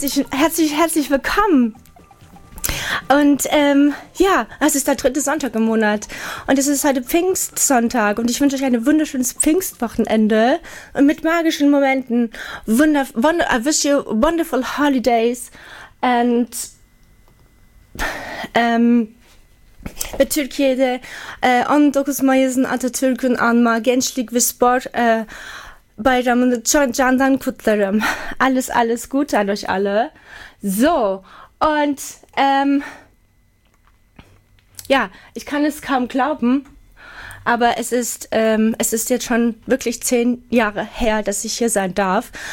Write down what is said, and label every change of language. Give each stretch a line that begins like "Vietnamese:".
German: Herzlich willkommen. Und ja, es ist der dritte Sonntag im Monat und es ist heute Pfingstsonntag und ich wünsche euch ein wunderschönes Pfingstwochenende und mit magischen Momenten.
English: I wish you wonderful holidays
Turkish: and Türkiye'de on 9 Mayıs'ın Atatürk'ün anma gençlik ve spor bayramını candan kutlarım.
German: Alles Gute an euch alle. So, und ja, ich kann es kaum glauben, aber es ist jetzt schon wirklich 10 Jahre her, dass ich hier sein darf.